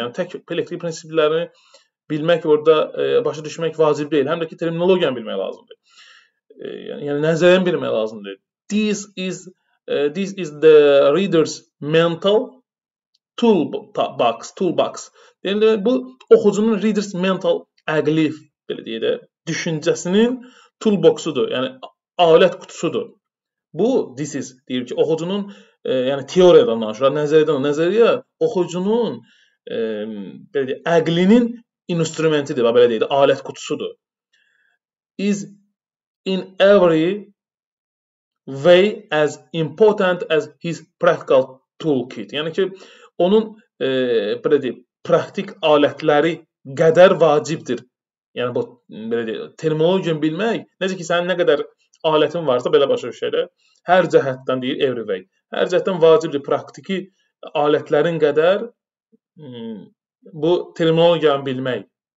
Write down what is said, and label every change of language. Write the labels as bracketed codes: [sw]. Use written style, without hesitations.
[az] Yəni, tək elektrik prinsiplərini bilmək orada başa düşmək vacib deyil. Həm də ki, terminologiyanı bilmək lazımdır. Yəni, nəzəriyyəni bilmək lazımdır. [en] This is the reader's mental toolbox. [az] Yəni, bu, oxucunun [en] reader's mental [az] əqli, belə deyə də, düşüncəsinin toolboxudur. Yəni, alət qutusudur. Bu, [en] this is, [az] deyir ki, oxucunun, yəni teoriyadan danışır, nəzəriyyə oxucunun, belə deyək, əqlinin instrumentidir, belə deyək, alət qutusudur. [en] Is in every way as important as his practical toolkit. [az] Yəni ki, onun, belə deyək, praktik alətləri qədər vacibdir. Yəni bu, belə deyək, terminologiyanı bilmək, necə ki, sənin nə qədər alətin varsa belə başa düşərək, hər cəhətdən deyir [en] every way. [az] Hər cəhətdən vacibdir praktiki alətlərin qədər bu terminologiyanı bilmək.